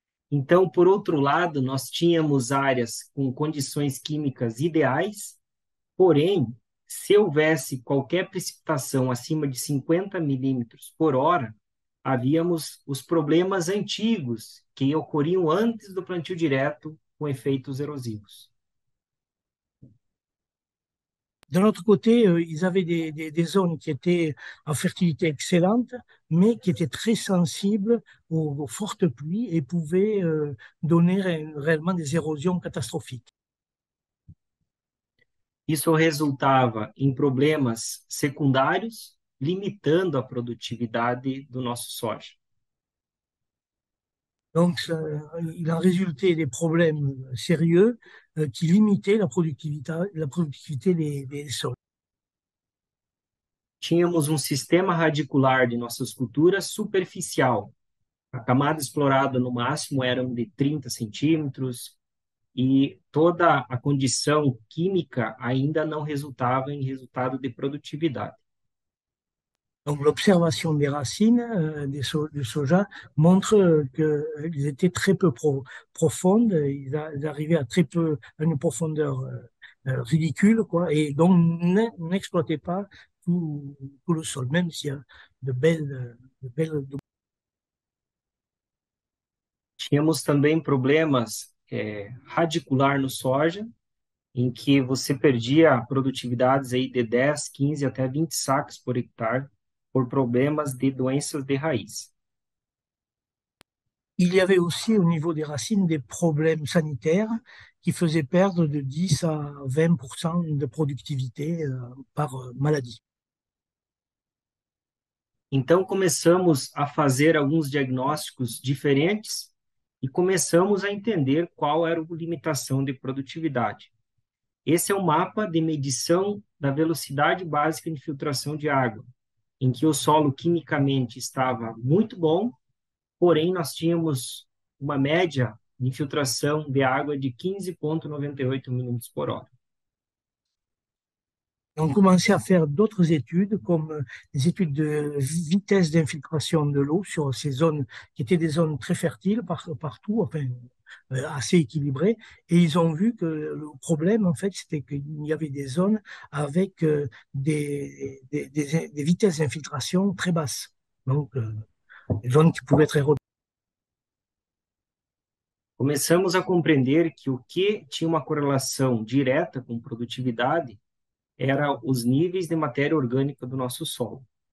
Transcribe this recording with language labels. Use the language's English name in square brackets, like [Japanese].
[Portuguese] Então, por outro lado, nós tínhamos áreas com condições químicas ideais, porém, se houvesse qualquer precipitação acima de 50 milímetros por hora, havíamos os problemas antigos que ocorriam antes do plantio direto com efeitos erosivos. [French] De l'autre côté, ils avaient des zones qui étaient en fertilité excellente, mais qui étaient très sensibles aux fortes pluies et pouvaient donner réellement des érosions catastrophiques. [Portuguese] Isso resultava em problemas secundários, limitando a produtividade do nosso soja. [French] Donc, il en résultait des problèmes sérieux qui limitaient la productivité des sols. [Portuguese] Tínhamos um sistema radicular de nossas culturas superficial. A camada explorada no máximo era de 30 centímetros. E toda a condição química ainda não resultava em resultado de produtividade. [French] Donc, l'observation des racines du soja montre qu'elles étaient très peu profondes, ils arrivaient à très peu, à une profondeur ridicule, quoi, et donc n'exploitaient pas tout le sol, même s'il y a de belles. [Portuguese] Tínhamos também problemas. Radicular no soja, em que você perdia produtividades aí de 10, 15 até 20 sacos por hectare por problemas de doenças de raiz. [French] Il y avait aussi au niveau des racines des problèmes sanitaires qui faisaient perdre de 10 à 20% de productivité par maladie. [Portuguese] Então começamos a fazer alguns diagnósticos diferentes. E começamos a entender qual era a limitação de produtividade. Esse é o um mapa de medição da velocidade básica de infiltração de água, em que o solo quimicamente estava muito bom, porém nós tínhamos uma média de infiltração de água de 15,98 milímetros por hora. [French] On commençait à faire d'autres études, comme des études de vitesse d'infiltration de l'eau sur ces zones qui étaient des zones très fertiles partout, enfin, assez équilibrées. Et ils ont vu que le problème, en fait, c'était qu'il y avait des zones avec des vitesses d'infiltration très basses. Donc, des zones qui pouvaient être érodées. [Portuguese] Começamos a compreender que o que tinha uma correlação direta com produtividade era os níveis de matéria orgânica do nosso solo.